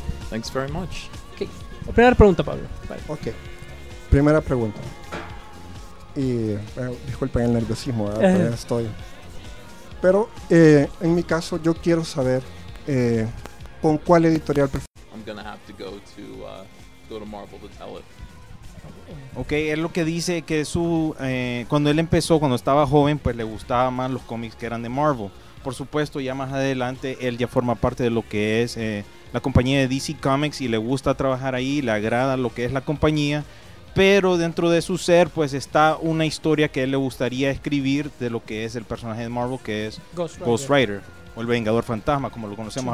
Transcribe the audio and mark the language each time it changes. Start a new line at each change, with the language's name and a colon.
English: Thanks very much.
Spanish: Okay. Primera pregunta, Pablo. Bye. Okay. Primera pregunta. Y disculpen el nerviosismo, ¿verdad? Uh-huh. Estoy. Pero en mi caso, yo quiero saber con cuál editorial.
English: I'm gonna have to go to Marvel to tell it. Okay.
Spanish: Es lo que dice que su cuando él empezó, cuando estaba joven, pues le gustaba más los cómics que eran de Marvel. Por supuesto, ya más adelante él ya forma parte de lo que es la compañía de DC Comics y le gusta trabajar ahí, le agrada lo que es la compañía, pero dentro de su ser pues está una historia que él le gustaría escribir de lo que es el personaje de Marvel, que es Ghost Rider o el Vengador Fantasma, como lo conocemos sí.